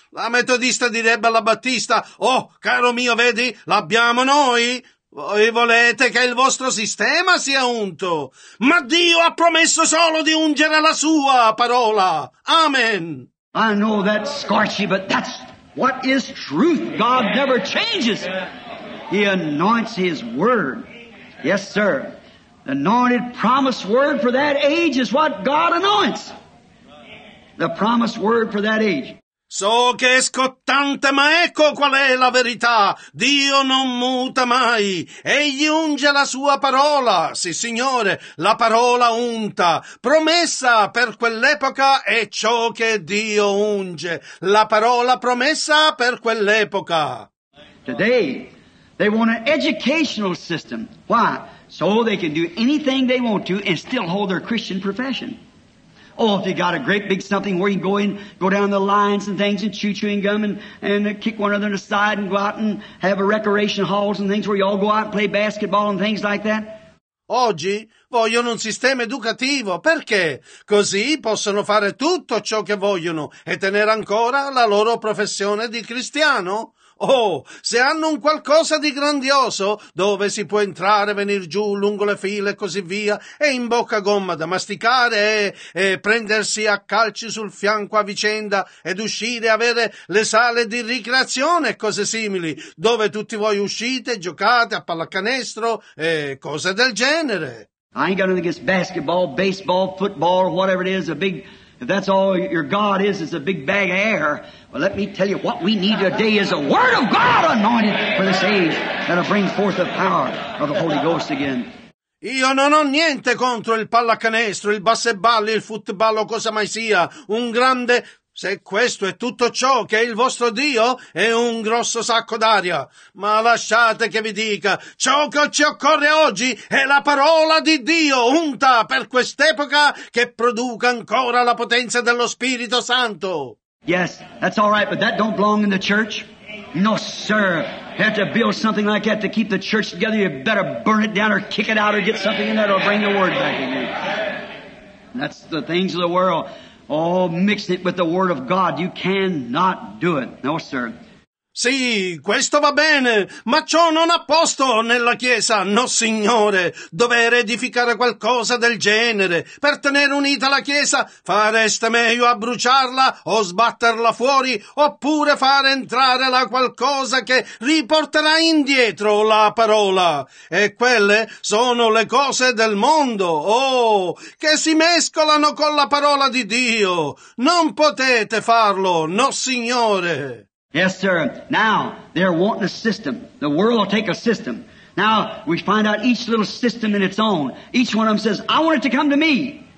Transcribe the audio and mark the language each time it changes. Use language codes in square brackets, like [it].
[it] La metodista direbbe alla battista, oh, caro mio, vedi, l'abbiamo noi. Voi volete che il vostro sistema sia unto, ma Dio ha promesso solo di ungere la sua parola. Amen. [en] I know that's scorchy, but that's what is truth. God never changes. He anoints His Word. Yes, sir. The anointed promised Word for that age is what God anoints. The promised Word for that age. [it] So che è scottante, ma ecco qual è la verità. Dio non muta mai. Egli unge la sua parola. Sì, Signore, la parola unta. Promessa per quell'epoca è ciò che Dio unge. La parola promessa per quell'epoca. [en] Today, they want an educational system. Why? So they can do anything they want to and still hold their Christian profession. Oh, if you got a great big something where you can go in, go down the lines and things and chew chewing gum and kick one another in the side and go out and have a recreation halls and things where you all go out and play basketball and things like that. [it] Oggi vogliono un sistema educativo. Perché? Così possono fare tutto ciò che vogliono e tenere ancora la loro professione di cristiano. Oh, se hanno un qualcosa di grandioso, dove si può entrare, venire giù lungo le file e così via, e in bocca a gomma da masticare e prendersi a calci sul fianco a vicenda ed uscire, avere le sale di ricreazione e cose simili, dove tutti voi uscite, giocate a pallacanestro e cose del genere. [en] I ain't got nothing against basketball, baseball, football, whatever it is, a big... If that's all your God is a big bag of air. Well, let me tell you, what we need today is a Word of God anointed for this age that'll bring forth the power of the Holy Ghost again. [it] Io non ho niente contro il pallacanestro, il basseballo, il footballo, cosa mai sia. Un grande... Se questo è tutto ciò che è il vostro Dio, è un grosso sacco d'aria. Ma lasciate che vi dica, ciò che ci occorre oggi è la parola di Dio, unta per quest'epoca, che produca ancora la potenza dello Spirito Santo. [en] Yes, that's all right, but that don't belong in the church. No, sir. Have to build something like that to keep the church together. You better burn it down or kick it out or get something in there that'll bring the word back in you. That's the things of the world. Oh, mix it with the Word of God. You cannot do it. No, sir. [it] Sì, questo va bene, ma ciò non ha posto nella Chiesa. No, Signore, dover edificare qualcosa del genere. Per tenere unita la Chiesa, fareste meglio a bruciarla o sbatterla fuori, oppure far entrare la qualcosa che riporterà indietro la parola. E quelle sono le cose del mondo, oh, che si mescolano con la parola di Dio. Non potete farlo, no, Signore. [en] Yes, sir. Now, they're wanting a system. The world will take a system. Now, we find out each little system in its own. Each one of them says, I want it to come to me.